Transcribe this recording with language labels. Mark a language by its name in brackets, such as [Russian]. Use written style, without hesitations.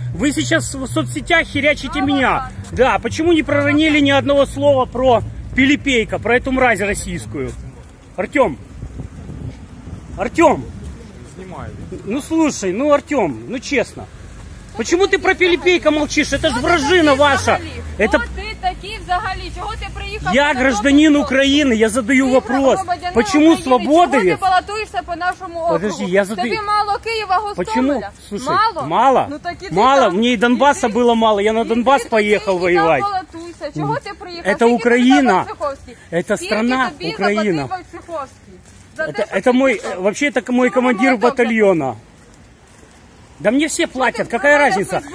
[Russian] Вы сейчас в соцсетях херячите меня. Да, почему не проронили ни одного слова про Пилипейка, про эту мразь российскую? Артем! Артем! Ну слушай, ну Артем, ну честно. Почему ты про Пилипейка молчишь? Это ж вражина ваша. [Ukrainian] Это ты такий взагалі? Чого ти приїхав? [Russian] Я гражданин України, я задаю вопрос. Почему свободы? [Ukrainian] Чого ти балотуєшся по нашому округу? [Russian] Подожди, я задаю. [Ukrainian] Тобі мало Києва, Гостомеля? [Russian] Почему? Слушай, мало? Мало? Ну, мало? Мне и Донбасса было мало, я на Донбас поехал воевать. [Ukrainian] Чого ти приїхав? [Russian] Это Украина. Это страна Украина. Это мой, вообще это мой командир батальона. Да мне все платят, какая разница?